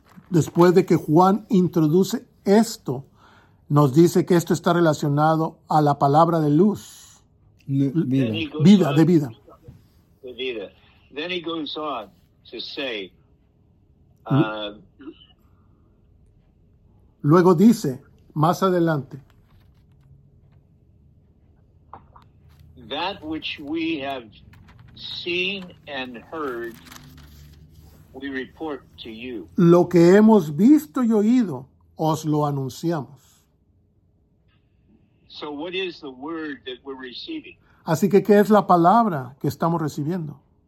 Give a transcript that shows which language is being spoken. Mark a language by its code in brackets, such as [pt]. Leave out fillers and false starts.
[es] Después de que Juan introduce esto, nos dice que esto está relacionado a la palabra de luz. Vida. [en] The vida. Then he goes on to say, [es] luego dice, más adelante, [en] that which we have seen and heard, we report to you. [es] Lo que hemos visto y oído, os lo anunciamos. [en] So what is the word that we're receiving? [es] Así que, ¿qué es la palabra que estamos recibiendo?